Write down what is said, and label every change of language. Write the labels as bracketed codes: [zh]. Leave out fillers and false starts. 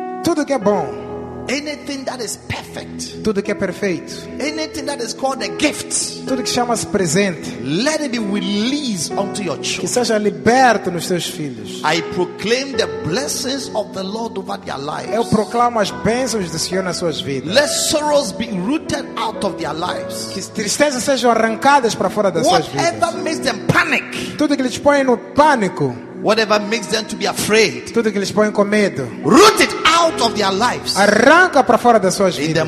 [pt] Tudo que é bom. [en] Anything that is perfect. [pt] Tudo que é perfeito. [en] Anything that is called a gift. [pt] Tudo que chama-se presente. [en] Let it be released unto your children. [pt] Que seja liberto nos teus filhos. [en] I proclaim the blessings of the Lord over their lives. [pt] Eu proclamo as bênçãos do Senhor nas suas vidas. [en] Let sorrows be rooted out of their lives. [pt] Que tristezas sejam arrancadas para fora das [en] Whatever [pt] suas vidas. [en] Whatever makes them panic. [pt] Tudo que lhes põe no pânico. [en] Whatever makes them to be afraid. [pt] Tudo que lhes põe com medo. [en] Root it out of their lives. [pt] Arranca para fora das suas vidas.